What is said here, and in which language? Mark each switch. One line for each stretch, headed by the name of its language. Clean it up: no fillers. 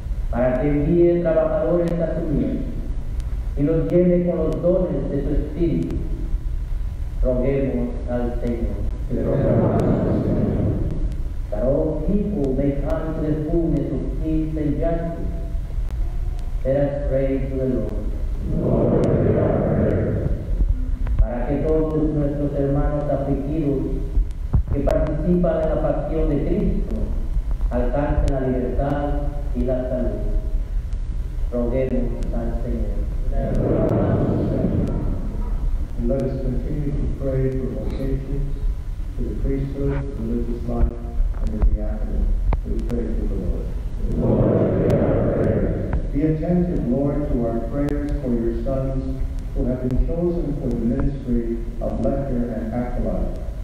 Spanish: Para que envíe trabajadores a su mies y los llene con los dones de su espíritu, roguemos al Señor.
English: That all people may come to the fullness of peace and justice. Let us pray to the Lord. Lord, hear our prayers.
Spanish: Para que todos nuestros hermanos afligidos que participan en la pasión de Cristo alcancen la libertad y la salud. Roguemos al Señor.
English: And let us continue to pray for vocations to the priesthood, religious life, and the diaconate. We pray to the Lord. Lord, hear our prayers. Be attentive, Lord, to our prayers for your sons who have been chosen for the ministry of Lector and Acolyte.